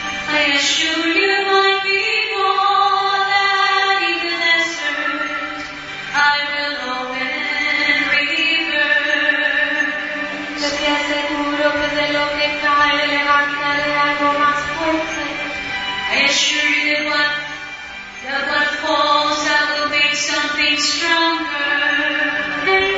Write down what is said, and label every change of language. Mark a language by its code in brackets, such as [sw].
[en] I assure you, my people, that in the desert I will open rivers. [es] Yo te aseguro que de lo que cae levantaré algo más fuerte. [en] I assure you that what falls I will make something stronger.